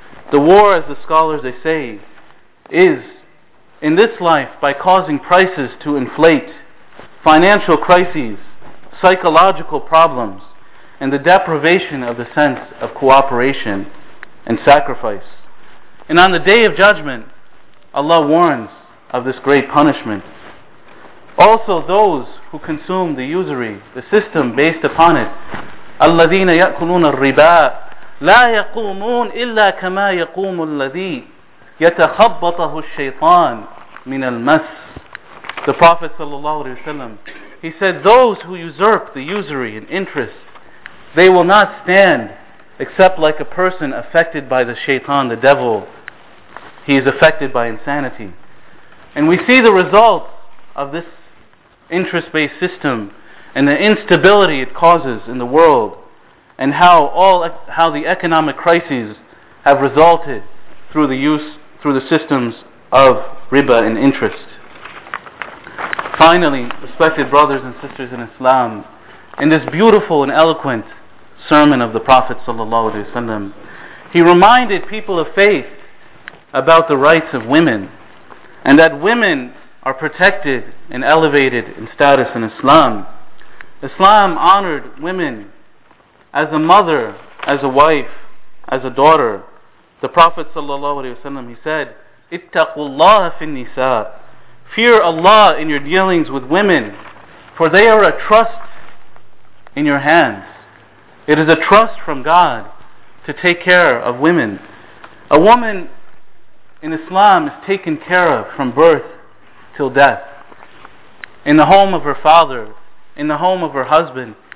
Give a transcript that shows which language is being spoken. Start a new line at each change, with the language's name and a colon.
English: The war, as the scholars they say, is in this life by causing prices to inflate, financial crises, psychological problems, and the deprivation of the sense of cooperation and sacrifice. And on the Day of Judgment, Allah warns of this great punishment. Also, those who consume the usury, the system based upon it,
Arabic: الَّذِينَ يَأْكُلُونَ الرِّبَاء لَا يَقُومُونَ إِلَّا كَمَا يَقُومُ الَّذِي يَتَخَبَّطَهُ الشَّيْطَانُ مِنَ الْمَسِ.
English: The Prophet ﷺ, he said, those who usurp the usury and interest, they will not stand except like a person affected by the shaitan, the devil. He is affected by insanity. And we see the result of this interest-based system and the instability it causes in the world, and how the economic crises have resulted through the systems of riba and interest. Finally, respected brothers and sisters in Islam, in this beautiful and eloquent sermon of the Prophet ﷺ, he reminded people of faith about the rights of women, and that women are protected and elevated in status in Islam. Islam honored women as a mother, as a wife, as a daughter. The Prophet ﷺ, he said,
Arabic: اتَّقُوا اللَّهَ فِي النِّسَاءِ.
English: Fear Allah in your dealings with women, for they are a trust in your hands. It is a trust from God to take care of women. A woman in Islam is taken care of from birth till death, in the home of her father, in the home of her husband.